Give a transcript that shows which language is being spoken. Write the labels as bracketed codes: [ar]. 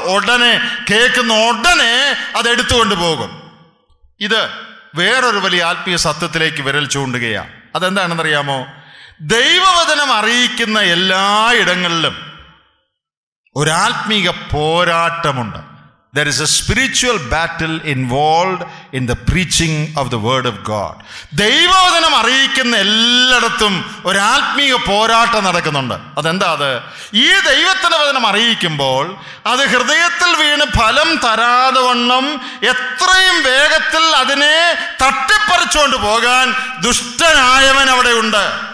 [ml] ഉടനെ, കേൾക്കുന്ന ഉടനെ അതെടുത്തുകൊണ്ട് പോകും. ഇത് വേറൊരു വലിയ ആത്മീയ സത്യത്തിലേക്ക് വിരൽ ചൂണ്ടുകയാണ്. അതെന്താണെന്നറിയാമോ? ദൈവവചനം അറിയിക്കുന്ന എല്ലായിടങ്ങളിലും ഒരാത്മീക പോരാട്ടമുണ്ട്. [en] There is a spiritual battle involved in the preaching of the word of God. [ml] ദൈവവചനം അറിയിക്കുന്ന എല്ലായിടത്തും ഒരു ആത്മീയ പോരാട്ടം നടക്കുന്നുണ്ട്. അതെന്താ? ഈ ദൈവത്തിൻ്റെ വചനം അറിയിക്കുമ്പോൾ അത് ഹൃദയത്തിൽ വീണ് ഫലം തരാതെ വണ്ണം എത്രയും വേഗത്തിൽ അതിനെ തട്ടിപ്പറിച്ചുകൊണ്ട് പോകാൻ ദുഷ്ടനായവൻ അവിടെയുണ്ട്.